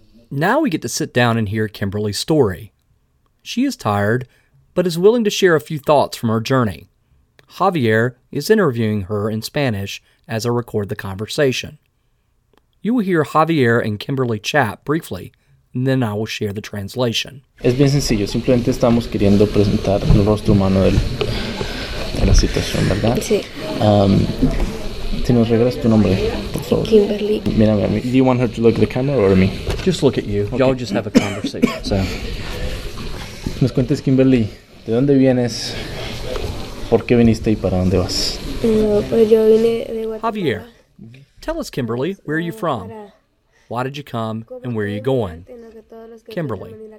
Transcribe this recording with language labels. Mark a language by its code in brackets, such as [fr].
[en] Now we get to sit down and hear Kimberly's story. She is tired, but is willing to share a few thoughts from her journey. Javier is interviewing her in Spanish as I record the conversation. You will hear Javier and Kimberly chat briefly, and then I will share the translation. [es] Es bien sencillo, simplemente estamos queriendo presentar el rostro humano de la situación, ¿verdad? Sí. Si nos regresas tu nombre, por favor. Kimberly. Mírame a mí. [en] Do you want her to look at the camera or me? Just look at you. Okay. Y'all just have a conversation. [es] So. Nos cuentes, Kimberly, ¿de dónde vienes? ¿Por qué viniste y para dónde vas? No, pues yo vine de Guatemala. [en] Javier, tell us, Kimberly, where are you from? Why did you come and where are you going? Kimberly.